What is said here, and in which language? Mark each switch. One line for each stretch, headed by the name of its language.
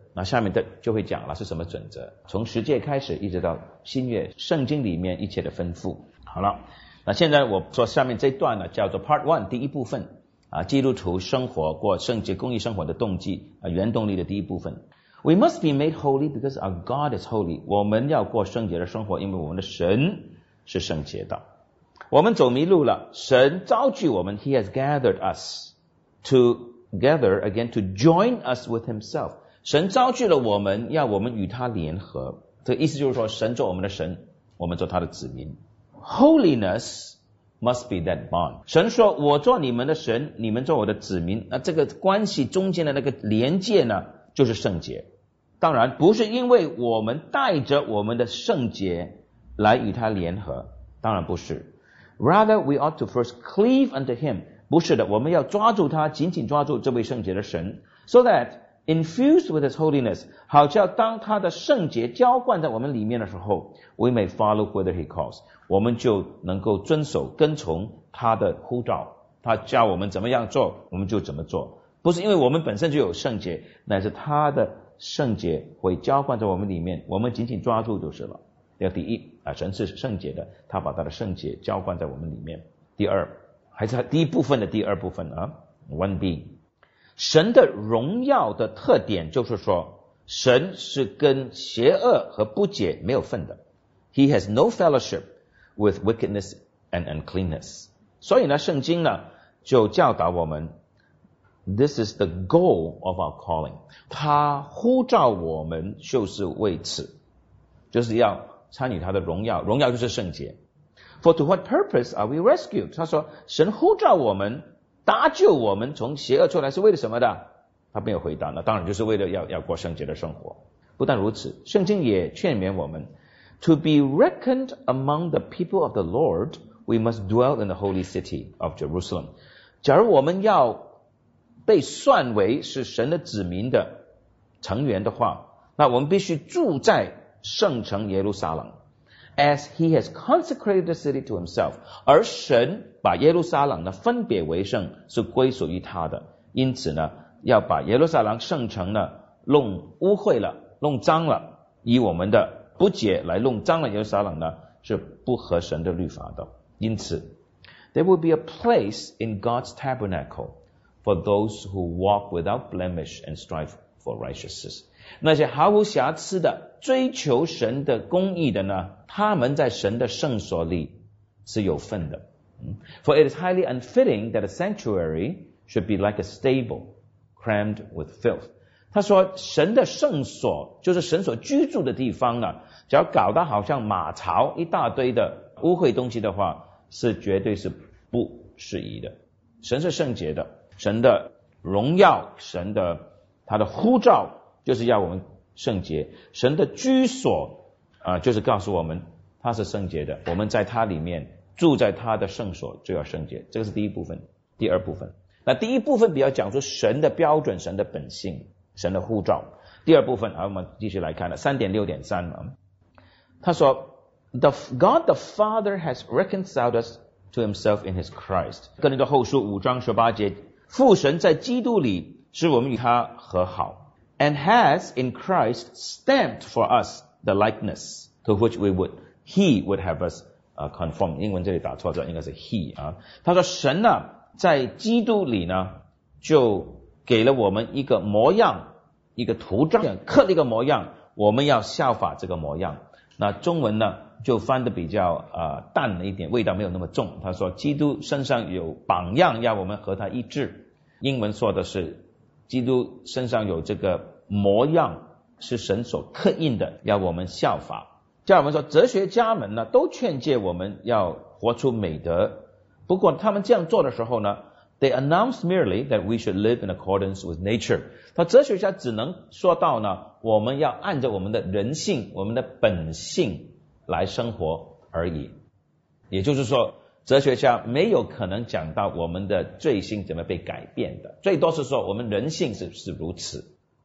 Chinese: 那下面就会讲了是什么准则，从十诫开始一直到新约圣经里面一切的吩咐。好了，那现在我说下面这段呢叫做 part 1第一部分啊，基督徒生活过圣洁公义生活的动机啊，原动力的第一部分。
English: We must be made holy because our God is holy，
Chinese: 我们要过圣洁的生活因为我们的神是圣洁的。我们走迷路了，神召聚我们，
English: He has gathered us together again to join us with himself，
Chinese: 神召聚了我们要我们与他联合。这个意思就是说，神做我们的神，我们做他的子民。
English: Holiness must be that bond.
Chinese: 神说，我做你们的神，你们做我的子民。那这个关系中间的那个连接呢，就是圣洁。当然，不是因为我们带着我们的圣洁来与他联合，当然不是。
English: Rather, we ought to first cleave unto him.
Chinese: 不是的，我们要抓住他，紧紧抓住这位圣洁的神。
English: So that, infused with his holiness,
Chinese: 好像当他的圣洁浇灌在我们里面的时候，
English: we may follow whether he calls.
Chinese: 我们就能够遵守跟从他的呼召。他叫我们怎么样做，我们就怎么做。不是因为我们本身就有圣洁，乃是他的圣洁会浇灌在我们里面，我们紧紧抓住就是了。第一，神是圣洁的，他把他的圣洁浇灌在我们里面。第二，还是第一部分的第二部分啊 ，1B， 神的荣耀的特点就是说，神是跟邪恶和不洁没有份的 ，
English: He has no fellowship with wickedness and uncleanness。
Chinese: 所以呢，圣经呢就教导我们 ，
English: This is the goal of our calling，
Chinese: 他呼召我们就是为此，就是要参与他的荣耀，荣耀就是圣洁。
English: For to what purpose are we rescued?
Chinese: 他说，神呼召我们，搭救我们从邪恶出来是为了什么的？他没有回答，那当然就是为了要过圣洁的生活。不但如此，圣经也劝勉我们
English: ，To be reckoned among the people of the Lord, we must dwell in the holy city of Jerusalem.
Chinese: 假如我们要被算为是神的子民的成员的话，那我们必须住在圣城耶路撒冷 ，
English: as he has consecrated the city to himself，
Chinese: 而神把耶路撒冷呢分别为圣，是归属于他的。因此呢，要把耶路撒冷圣城呢弄污秽了、弄脏了，以我们的不洁来弄脏了耶路撒冷呢，是不合神的律法的。因此
English: ，there will be a place in God's tabernacle for those who walk without blemish and strive for righteousness。
Chinese: 那些毫无瑕疵的追求神的公义的呢，他们在神的圣所里是有份的。
English: For it is highly unfitting that a sanctuary should be like a stable crammed with filth.
Chinese: 他说神的圣所就是神所居住的地方啊，只要搞得好像马槽一大堆的污秽东西的话，是绝对是不适宜的。神是圣洁的，神的荣耀，神的他的呼召就是要我们圣洁，神的居所就是告诉我们他是圣洁的，我们在他里面住在他的圣所就要圣洁。这个是第一部分。第二部分，那第一部分比较讲出神的标准、神的本性、神的护照。第二部分我们继续来看了 3.6.3， 他说
English: The God the Father has reconciled us to himself in his Christ，
Chinese: 哥林多后书5:18，父神在基督里使我们与他和好。
English: And has in Christ stamped for us the likeness to which he would have us conform.
Chinese: 英文这里打错了，应该是 he 啊。他说神呢，在基督里呢，就给了我们一个模样，一个图章，刻了一个模样，我们要效法这个模样。那中文呢，就翻得比较淡了一点，味道没有那么重。他说基督身上有榜样，要我们和他一致。英文说的是基督身上有这个模样，是神所刻印的，要我们效法。叫我们说，哲学家们呢，都劝诫我们要活出美德。不过他们这样做的时候呢
English: ，they announce merely that we should live in accordance with nature。
Chinese: 他哲学家只能说到呢，我们要按照我们的人性、我们的本性来生活而已。也就是说，哲学家没有可能讲到我们的罪性怎么被改变的，最多是说我们人性是如此。